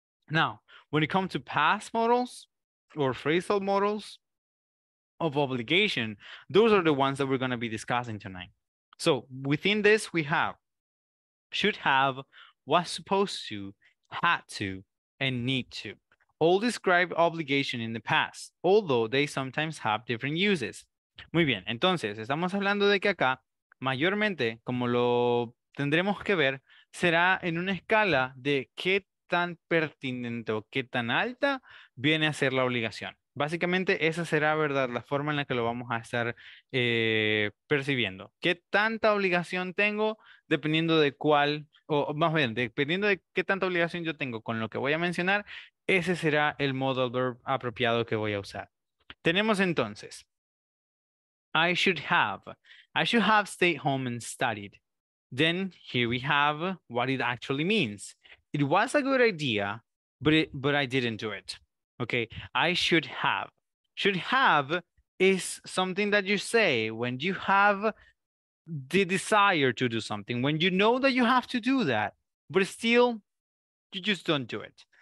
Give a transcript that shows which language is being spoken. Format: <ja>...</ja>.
<en>Now, when it comes to past modals or phrasal modals of obligation, those are the ones that we're going to be discussing tonight. So within this, we have should have, was supposed to, had to, and need to. All describe obligation in the past, although they sometimes have different uses.</en> <es>Muy bien, entonces, estamos hablando de que acá, mayormente, como lo tendremos que ver, será en una escala de qué tan pertinente o qué tan alta viene a ser la obligación. Básicamente, esa será, ¿verdad?, la forma en la que lo vamos a estar percibiendo. ¿Qué tanta obligación tengo dependiendo de cuál, o más bien, dependiendo de qué tanta obligación yo tengo con lo que voy a mencionar, ese será el modal verb apropiado que voy a usar. Tenemos entonces,</es> <en>I should have stayed home and studied. Then here we have what it actually means. It was a good idea, but I didn't do it. Okay, I should have. Should have is something that you say when you have the desire to do something, when you know that you have to do that, but still you just don't do it.</en>